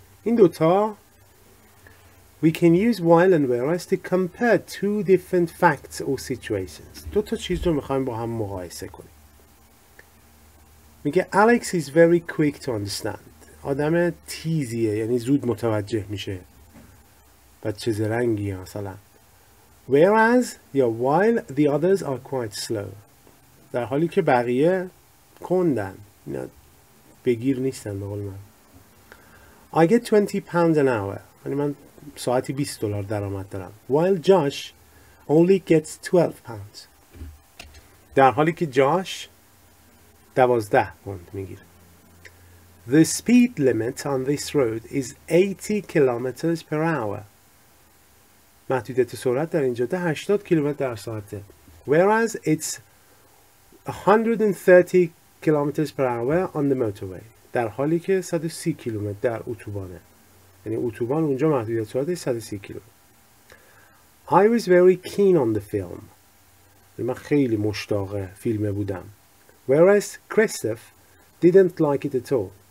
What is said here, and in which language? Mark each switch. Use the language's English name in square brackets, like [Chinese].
[Persian] این دوتا [English] We can use while and whereas to compare two different facts or situations. [Persian] دو تا چیز رو میخوایم با هم مقایسه کنیم. میگه [English] Alex is very quick to understand. [Persian] آدم تیزیه، یعنی زود متوجه میشه. بچه زرنگی مثلا. [English] Whereas [Persian] یا [English] while the others are quite slow. [Persian] در حالی که بقیه کندن. بگیر نیستن به قول من. [English] I get 20 pounds an hour. [Persian] یعنی من ساعتی 20 دلار درآمد دارم. [English] While Josh only gets 12 pounds. [Persian] در حالی که Josh 12 پوند میگیره. [English] The speed limit on this road is 80 kilometers per hour. [Persian] محدودیت سرعت در این جاده 80 کیلومتر در ساعته. [English] Whereas it's 130 kilometers per hour on the motorway. [Persian] در حالی که 130 کیلومتر در اتوبانه. یعنی اتوبان اونجا محدودیت سرعت 130 کیلو. [English] I was very keen on the film. [Persian] من خیلی مشتاق فیلم بودم. [English] Whereas Christoph didn't like it at all.